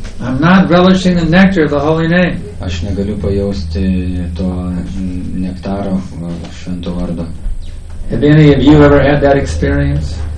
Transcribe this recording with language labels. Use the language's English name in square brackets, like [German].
[English] I'm not relishing the nectar of the holy name. [Lithuanian] Aš negaliu pajausti to nektaro švento vardo. [English] Have any of you ever had that experience?